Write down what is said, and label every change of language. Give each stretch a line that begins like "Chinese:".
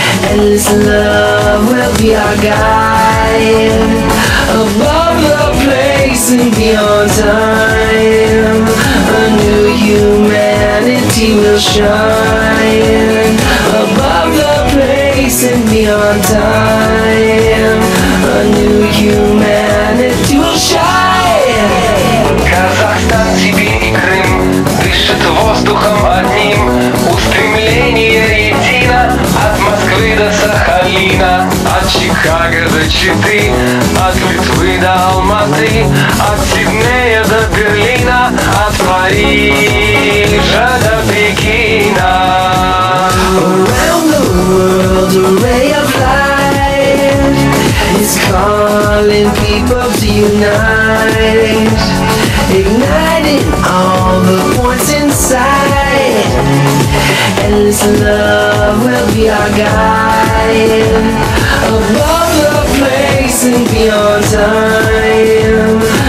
English: Endless love will be our guide, above the place and beyond time. A new humanity will shine, above the place and beyond time. A new humanity will shine.
Russian: Казахстан, Сибирь и Крым дышит воздухом одним. Устремление едино от Москвы до Сахалина, от Чикаго до Читы, от Литвы до Алматы, от Сиднея до Берлина, от Парижа до Пекина.
English: Around the world, a ray of light is calling people to unite, igniting all the points inside. Endless love will be our guide, above the place and beyond time.